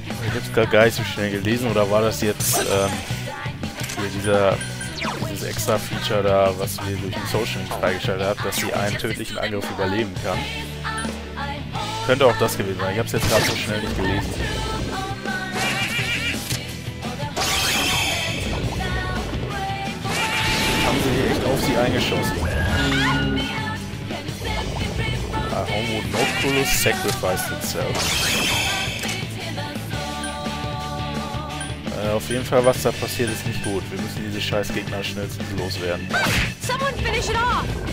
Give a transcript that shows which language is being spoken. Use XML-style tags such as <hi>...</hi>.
<de>Ich hab's gar nicht so schnell gelesen, oder war das jetzt hier dieses extra Feature da, was wir durch den Social freigeschaltet haben, dass sie einen tödlichen Angriff überleben kann? Könnte auch das gewesen sein. Ich hab's jetzt gerade so schnell nicht gelesen. Haben sie echt auf sie eingeschossen?</de> <en>Homo Noculus sacrificed itself.</en> <de>Auf jeden Fall, was da passiert, ist nicht gut. Wir müssen diese scheiß Gegner schnellstens loswerden.</de> <en>Someone finish it off.</en>